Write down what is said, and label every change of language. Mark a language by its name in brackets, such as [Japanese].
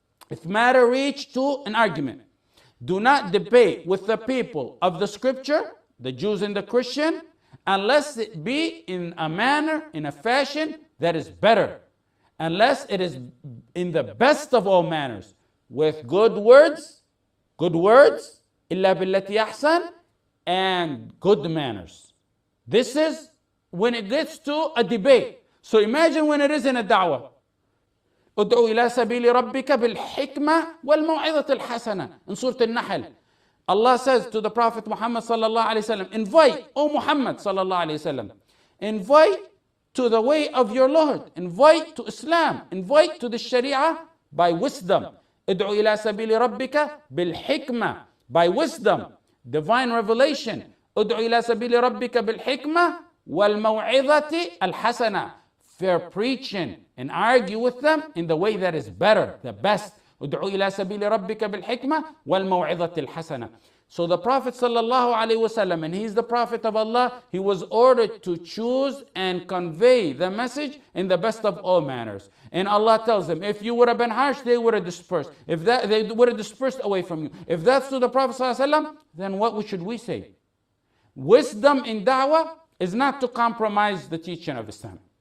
[English] If matter reached to an argument, do not debate with the people of the scripture, the Jews and the Christian, unless it be in a manner, in a fashion that is better, unless it is in the best of all manners, with good words, [Arabic] illa billati ahsan, [English] and good manners. This is when it gets to a debate. So imagine when it is in a da'wah. [Arabic] ادعو إلى سبيل ربك بالحكمة والموعظة الحسنة. [English] In Surah Al-Nahl, Allah says to the Prophet Muhammad sallallahu alayhi wa sallam, invite, O Muhammad sallallahu alayhi wa sallam, invite to the way of your Lord, invite to Islam, invite to the Sharia by wisdom. [Arabic] ادعو إلى سبيل ربك بالحكمة, [English] by wisdom, divine revelation. [Arabic] ادعو إلى سبيل ربك بالحكمة والموعظة الحسنة, [English] fair preaching, and argue with them in the way that is better, the best. [Arabic] ادعو إلى سبيل ربك بالحكمة والموعظة الحسنة. [English] So the Prophet sallallahu alaihi wasallam, and he's the Prophet of Allah, he was ordered to choose and convey the message in the best of all manners. And Allah tells him, if you would have been harsh, they would have dispersed. If that, they would have dispersed away from you. If that's to the Prophet sallallahu alaihi wasallam, then what should we say? Wisdom in da'wah is not to compromise the teaching of Islam.